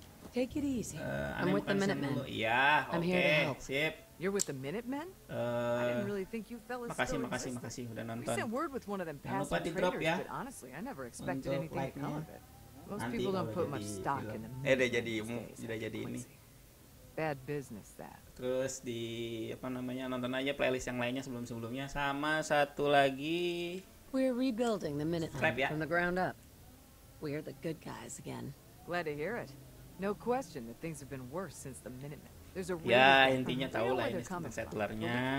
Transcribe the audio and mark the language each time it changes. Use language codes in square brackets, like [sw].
[en] Take it easy. I'm with the Minutemen. Yeah, okay. I'm here to help. [id] Sip. [en] You're with the Minutemen? I didn't really think you fellas still existed. [id] Makasih udah nonton. [en] We sent word with one of them past the traitors, but honestly, I never expected anything to come of it. Most people don't put much stock in them. [id] Udah jadi ini. [en] Bad business that. [id] Terus di apa namanya, nonton aja playlist yang lainnya sebelum-sebelumnya. Sama satu lagi. [en] We're rebuilding the Minutemen from the ground up. We're the good guys again. Glad to hear it. No question that things have been worse since the Minutemen. There's a [id] intinya tahu lah ini settlernya.